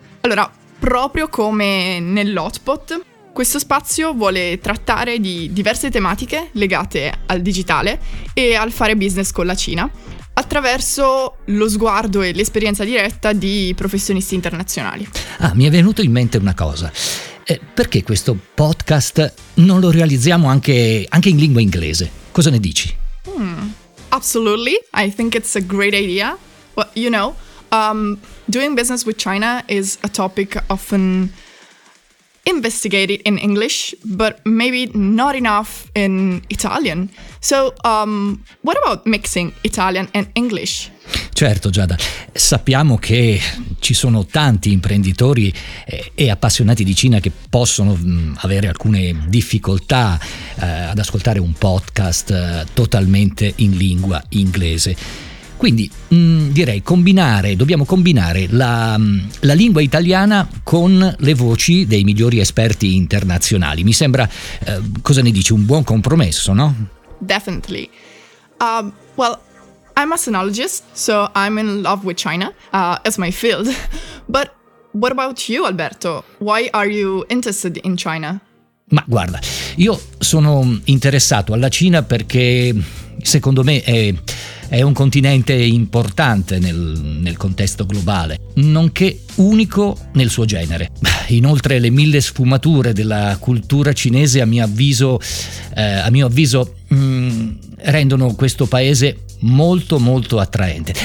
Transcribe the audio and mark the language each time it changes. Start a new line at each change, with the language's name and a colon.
Italian: Allora, proprio come nell'hotpot, questo spazio vuole trattare di diverse tematiche legate al digitale e al fare business con la Cina, attraverso lo sguardo e l'esperienza diretta di professionisti internazionali. Ah, mi è venuto in mente una cosa. Perché questo podcast non lo realizziamo anche in lingua inglese? Cosa ne dici?
English: Absolutely, I think it's a great idea. Well, you know, doing business with China is a topic often investigated in English, but maybe not enough in Italian. So, what about mixing Italian and English?
Italian: Certo, Giada. Sappiamo che ci sono tanti imprenditori e appassionati di Cina che possono avere alcune difficoltà ad ascoltare un podcast totalmente in lingua inglese. Quindi direi dobbiamo combinare la lingua italiana con le voci dei migliori esperti internazionali. Mi sembra, cosa ne dici, un buon compromesso, no?
English: Definitely. Well, I'm a sinologist, so I'm in love with China as my field. But what about you, Alberto? Why are you interested in China?
Italian: Ma guarda, io sono interessato alla Cina perché secondo me è un continente importante nel contesto globale, nonché unico nel suo genere. Inoltre le mille sfumature della cultura cinese rendono questo paese molto molto attraente.